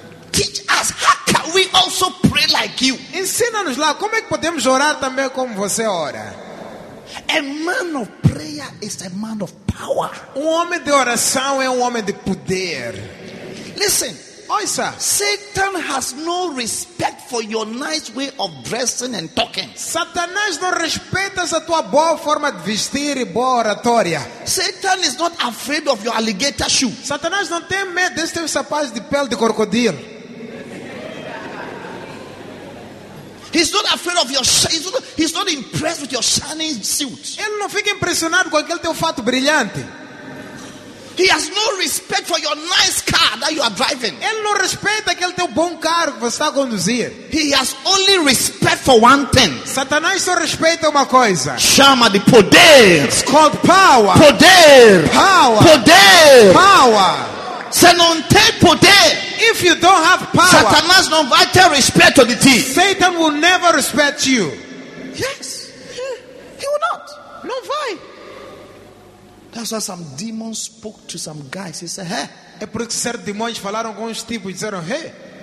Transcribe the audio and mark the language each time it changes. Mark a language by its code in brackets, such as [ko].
[en] Teach us how can we also pray like you. [pt] Ensina-nos lá como é que podemos orar também como você ora. [en] A man of prayer is a man of power. [pt] Um homem de oração é um homem de poder. [en] Listen. Oi, sir. Satan has no respect for your nice way of dressing and talking. [pt] Satanás não respeita a tua boa forma de vestir e boa oratória. [en] Satan is not afraid of your alligator shoe. [pt] Satanás não tem medo deste teu sapato de pele de crocodilo. [en] He's not afraid of your he's not impressed with your shining suit. [pt] Ele não fica impressionado com aquele teu fato brilhante. [en] He has no respect for your nice car that you are driving. [pt] Ele não respeita aquele teu bom carro que você está a conduzir. [en] He has only respect for one thing. [pt] Satanás só respeita uma coisa. Chama de poder. [en] It's called power. [pt] Poder. [en] Power. [pt] Poder. [en] Power. [pt] Se não tem poder, [en] if you don't have power, [pt] Satanás não vai ter respeito [en] to the teeth. Satan will never respect you. Yes. He will not. [pt] Não vai. [en] That's why some demons spoke to some guys. He said, hey. [pt] É porque certos demônios falaram com uns tipos e disseram, hey.